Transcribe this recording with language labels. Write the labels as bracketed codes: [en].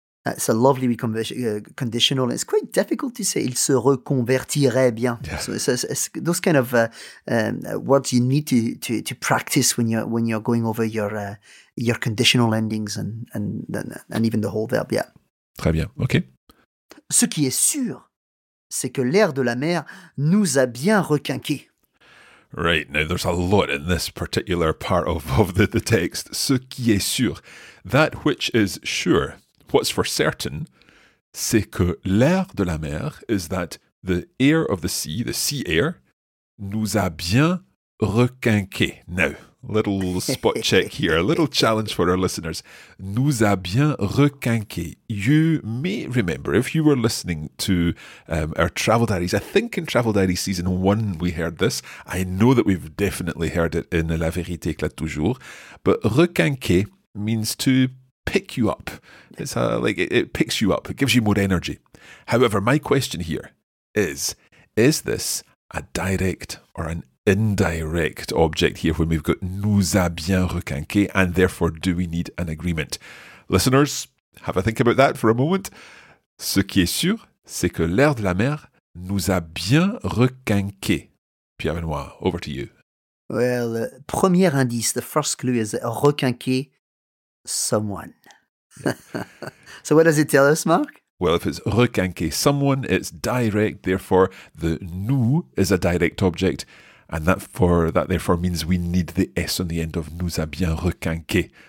[en] That's a lovely conditional. It's quite difficult to say. [fr] Il se reconvertirait bien. [en] Yeah. So it's those kind of words you need to practice when you're going over your conditional endings and even the whole verb. Yeah. [fr] Très bien. Okay. Ce qui est sûr, c'est que l'air de la mer nous a bien requinqué. [en] Right, now there's a lot in this particular part of the text. [fr] Ce qui est sûr, [en] that which is sure, what's for certain, [fr] c'est que l'air de la mer [en] is that the air of the sea air, [fr] nous a bien requinqué. [en] Now, little spot check here, a little challenge for our listeners. [fr] Nous a bien requinqué. [en] You may remember, if you were listening to our Travel Diaries, I think in Travel Diaries Season 1 we heard this. I know that we've definitely heard it in La Vérité Éclate Toujours. But requinqué means to pick you up. It's it picks you up. It gives you more energy. However, my question here is this a direct or an indirect object here when we've got [fr] nous a bien requinqué [en] and therefore do we need an agreement? Listeners, have a think about that for a moment. [fr] Ce qui est sûr, c'est que l'air de la mer nous a bien requinqué. [en] Pierre Benoît, over to you. Well, [fr] premier indice, [en] the first clue is requinqué someone. So what does it tell us, Marc? Well, if it's requinqué someone, it's direct, therefore the nous is a direct object. And that therefore means we need the S on the end of [fr] nous a bien requinqué.